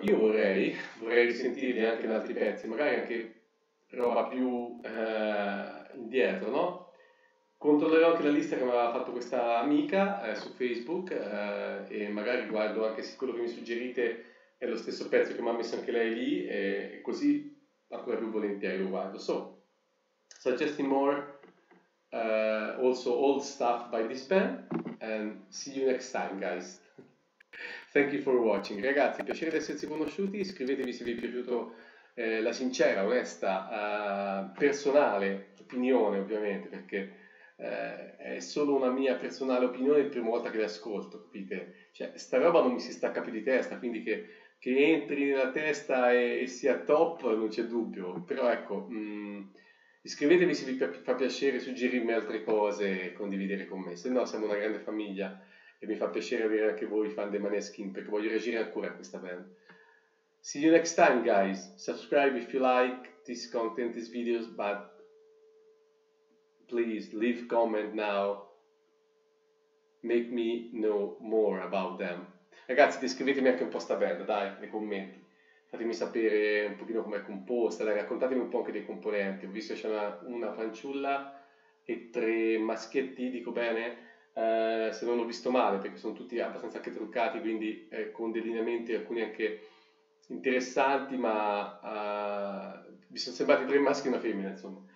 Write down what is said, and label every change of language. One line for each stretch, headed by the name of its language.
Italian: Io vorrei risentirli anche in altri pezzi, magari anche roba più indietro, no? Controllerò anche la lista che mi aveva fatto questa amica su Facebook e magari guardo anche se quello che mi suggerite è lo stesso pezzo che mi ha messo anche lei lì, e così ancora più volentieri lo guardo.
English: So, suggesting more, also old stuff by this band, and see you next time, guys. Thank you for watching.
Italian: Ragazzi, piacere di esserci conosciuti, iscrivetevi se vi è piaciuto la sincera, onesta, personale opinione, ovviamente, perché è solo una mia personale opinione, è la prima volta che le ascolto, capite? Cioè, sta roba non mi si stacca più di testa, quindi che entri nella testa e sia top non c'è dubbio, però ecco, iscrivetevi se vi fa piacere suggerirmi altre cose e condividere con me, se no siamo una grande famiglia e mi fa piacere avere anche voi fan dei Maneskin, perché voglio reagire ancora a questa band.
English: See you next time, guys, subscribe if you like this content, these videos, but please leave comment now, make me know more about them.
Italian: Ragazzi, descrivetemi anche un po' sta band, dai, nei commenti. Fatemi sapere un pochino com'è composta, dai, raccontatemi un po' anche dei componenti. Ho visto che c'è una fanciulla e tre maschietti, dico bene, se non ho visto male, perché sono tutti abbastanza anche truccati, quindi con delineamenti alcuni anche interessanti, ma mi sono sembrati tre maschi e una femmina, insomma.